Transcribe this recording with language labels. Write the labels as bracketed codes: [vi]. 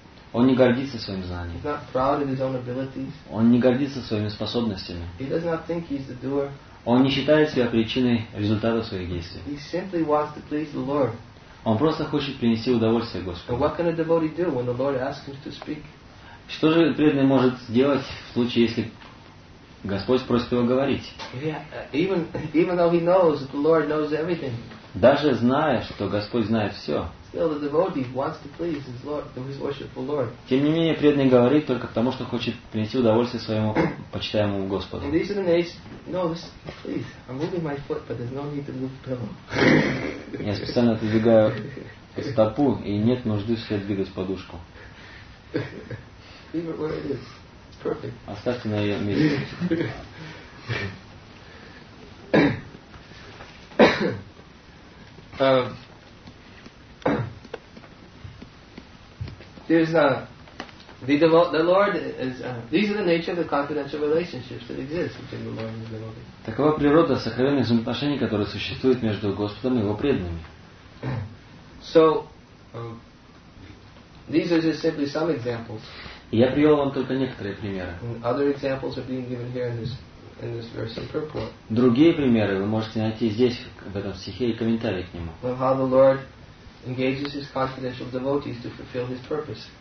[ru] Он не гордится своим знанием. [en] He's not proud of his own abilities. [ru] Он не гордится своими способностями. [en] He does not think he's the doer. [ru] Он не считает себя причиной результата своих действий. [en] He simply wants to please the Lord. [ru] Он просто хочет принести удовольствие Господу. [en] But what can a devotee do when the Lord asks him to speak? [ru] Что же преданный может сделать в случае, если Господь просит его говорить? [en] Even though he knows that the Lord knows everything. [ru] Даже зная, что Господь знает все. [en] Still, the devotee wants to please his Lord, to his worshipful Lord. [ru] Тем не менее, преданный говорит только потому, что хочет принести удовольствие своему почитаемому Господу. [en] And these are the nations. No, listen, please. I'm moving my foot, but there's no need to move the pillow. [ru] Я специально отодвигаю стопу, и нет нужды в себе двигать подушку. [en] Leave it where it is. Perfect. [ru] Оставьте на ее месте. [en] There's the Lord is these are the nature of the confidential relationships that exist between the Lord and the devotee. [ru] Такова природа сокровенных взаимоотношений, которые существуют между Господом и его преданными. [en] So these are just simply some examples. [ru] Я привел вам только некоторые примеры. [en] Other examples are being given here in this verse and purport. [ru] Другие примеры вы можете найти здесь в этом стихе и комментарии к нему. [en] Of how the Lord engages his confidential devotees to fulfill his purpose.